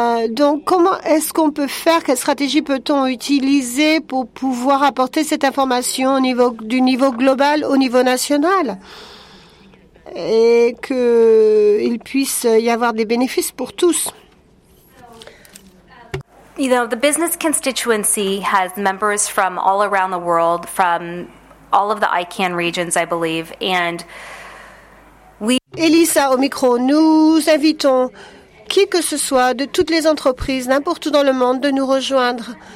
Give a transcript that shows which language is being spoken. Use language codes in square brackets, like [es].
[fr] Donc, comment est-ce qu'on peut faire? Quelle stratégie peut-on utiliser pour pouvoir apporter cette information du niveau global au niveau national et qu'il puisse y avoir des bénéfices pour tous? [en] You know, the business constituency has members from all around the world, from all of the ICANN regions, I believe, and we. [fr] Elisa, au micro, nous invitons qui que ce soit, de toutes les entreprises, n'importe où dans le monde, de nous rejoindre.